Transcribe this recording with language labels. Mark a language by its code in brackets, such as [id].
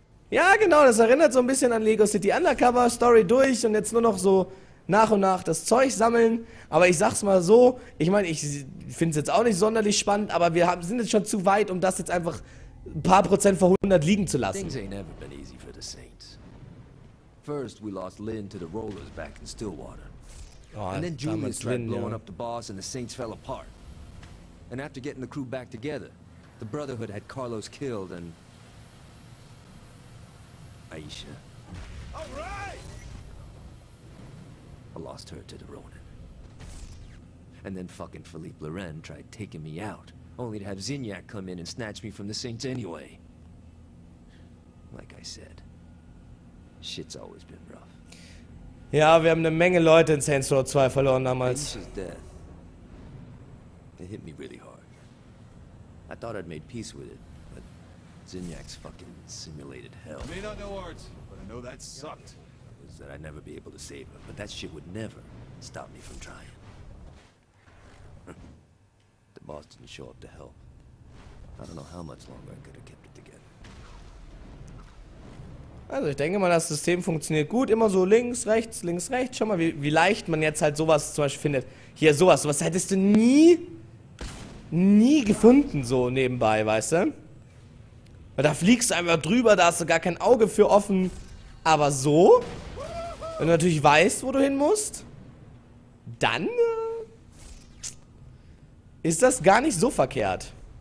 [de] Ja, genau, das erinnert so ein bisschen an Lego City Undercover. Story durch und jetzt nur noch so nach und nach das Zeug sammeln. Aber ich sag's mal so, ich meine, ich finde es jetzt auch nicht sonderlich spannend, aber wir haben, sind jetzt schon zu weit, um das jetzt einfach ein paar Prozent vor 100 liegen zu lassen. Dinge haben nie easy für die Saints. [en] First, we lost Lynn to the Rollers back in Stillwater. Oh, and then Julius tried blowing up the boss and the Saints fell apart. And after getting the crew back together, the Brotherhood had Carlos killed and... Aisha. All right! I lost her to the Ronin. And then fucking Philippe Loren tried taking me out, only to have Zinyak come in and snatch me from the Saints anyway. Like I said... Shit's always been rough. [de] Ja, wir haben eine Menge Leute in Saints Row 2 verloren damals. [en] It hit me really hard. I thought I'd made peace with it, but Zinyak's fucking simulated hell. May not know Art, but I know that sucked. It was that I'd never be able to save her, but that shit would never stop me from trying. The boss didn't show up to help. I don't know how much longer I could have kept it together. [de] Also ich denke mal, das System funktioniert gut. Immer so links, rechts, schau mal, wie leicht man jetzt halt sowas zum Beispiel findet. Hier sowas, sowas hättest du nie gefunden so nebenbei, weißt du? Weil da fliegst du einfach drüber, da hast du gar kein Auge für offen. Aber so, wenn du natürlich weißt, wo du hin musst, dann ist das gar nicht so verkehrt.